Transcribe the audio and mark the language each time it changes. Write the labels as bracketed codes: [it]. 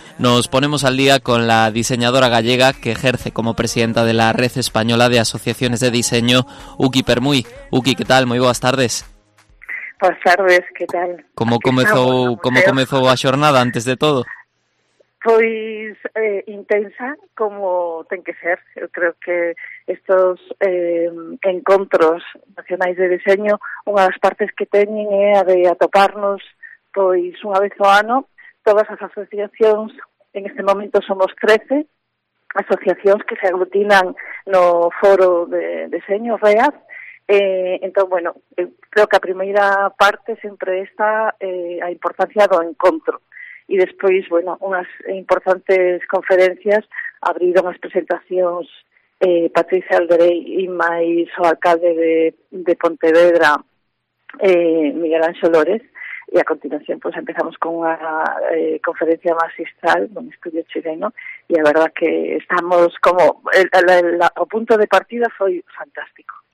[es] Nos ponemos al día con la diseñadora gallega que ejerce como presidenta de la Red Española de Asociaciones de Diseño, Uki Permuy. Uki, ¿qué tal? Muy buenas tardes. Buenas tardes, ¿qué tal? ¿Cómo comenzó a xornada, antes de todo? [gl] Pois intensa, como ten que ser. Eu creo que estos encontros nacionais de diseño, unha das partes que teñen é a de atoparnos pois unha vez ao ano. Todas as asociacións, en este momento somos 13 asociacións que se aglutinan no foro de diseño READ. Entón, bueno, creo que a primeira parte sempre está a importancia do encontro. E despois, bueno, unhas importantes conferencias abriron as presentacións Patricia Alderey e máis o alcalde de Pontevedra, Miguel Anxo López. E a continuación, pues, empezamos con unha conferencia magistral dun estudio chileno. E a verdad que estamos como... O punto de partida foi fantástico.